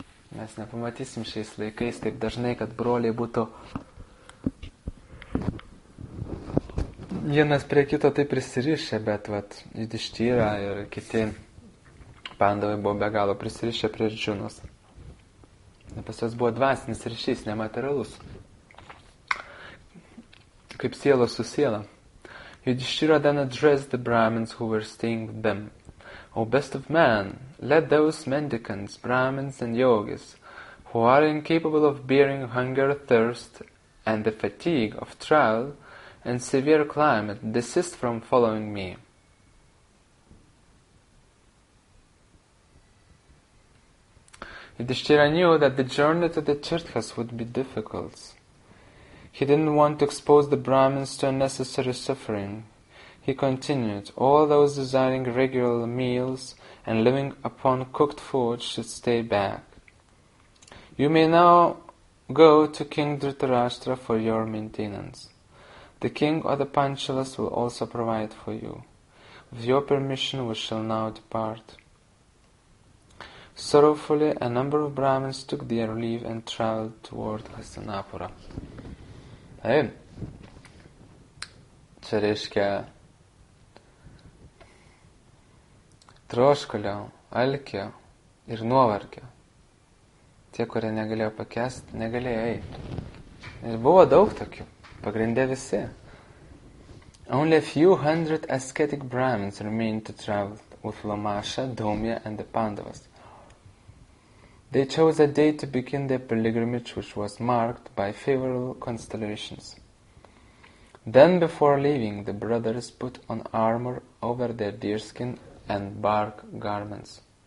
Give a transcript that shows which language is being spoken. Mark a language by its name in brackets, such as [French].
[Lithuanian] Mes nepamatysim šiais laikais taip dažnai, kad broliai būtų vienas prie kito taip prisirišę, bet vat, Yudhishthira ir kiti pandavai buvo be galo prisirišę prie Arjunos. Pas jos buvo dvasinis ryšys, nematerialus. Kaip sielo su siela. [English] Yudhishthira then addressed the Brahmins who were staying with them. O best of man, let those mendicants, Brahmins and yogis, who are incapable of bearing hunger, thirst, and the fatigue of trial and severe climate, desist from following me. Yudhishthira knew that the journey to the Tirthas would be difficult. He didn't want to expose the Brahmins to unnecessary suffering. He continued, all those desiring regular meals and living upon cooked food should stay back. You may now go to King Dhritarashtra for your maintenance. The king of the Panchalas will also provide for you. With your permission, we shall now depart. Sorrowfully, a number of Brahmins took their leave and traveled toward Hastinapura. Hey. [Lithuanian] Čia reiškia troškulio, alkio ir nuovargio. Tie, kurie negalėjo pakęsti, negalėjo eiti. Ir buvo daug tokių, pagrindė visi. [English] Only a few hundred ascetic Brahmins remained to travel with Lomasha, Domya and the Pandavas. They chose a day to begin their pilgrimage, which was marked by favorable constellations. Then, before leaving, the brothers put on armor over their deerskin and bark garments.